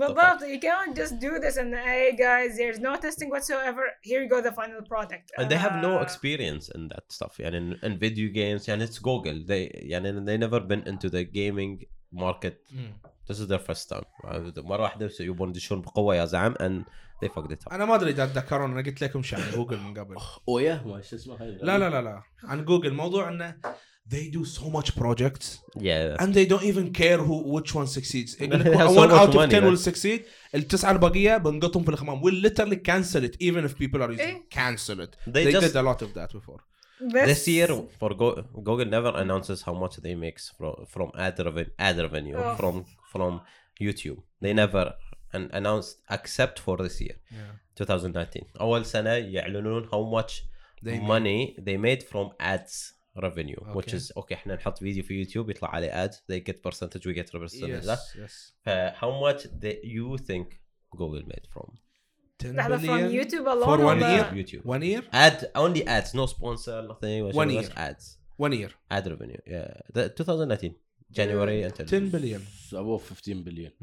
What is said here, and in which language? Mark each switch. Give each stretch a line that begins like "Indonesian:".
English: but you can't just do this and hey guys there's no testing whatsoever here you go the final product and they have no experience in that stuff and in video games and it's Google they never been into the gaming market this is their first time
Arabic: يبون يدشون بقوة يا زعم
English: and they fucked it up
Arabic: انا ما ادري اذا تذكرون انا قلت لكم شيء عن جوجل من قبل اويا ما ايش اسمه لا لا لا لا عن جوجل موضوع انه
English: they do so much projects yeah and they don't even care who which one succeeds one out of 10 will succeed
Arabic: التسعة البقية بنقطهم في الخمام
English: we literally cancel it even if people are using cancel it they did a lot of that before This year, for Google never announces how much they makes from ad revenue from YouTube. They never announced except for this year, 2019.
Arabic: أول سنة يعلنون
English: how much money they made from ads revenue, okay. which is okay.
Arabic: إحنا نحط فيديو في يوتيوب يطلع عليه
English: ads, they get percentage, we get percentage. Yes, yes. How much do you think Google made from? $10 billion from YouTube alone. For one year. YouTube. 1 year. Ad only ads, no sponsor, nothing. One year. Ads. 1 year. Ad revenue. Yeah. The 2019 January until. $10 billion. So above $15 billion.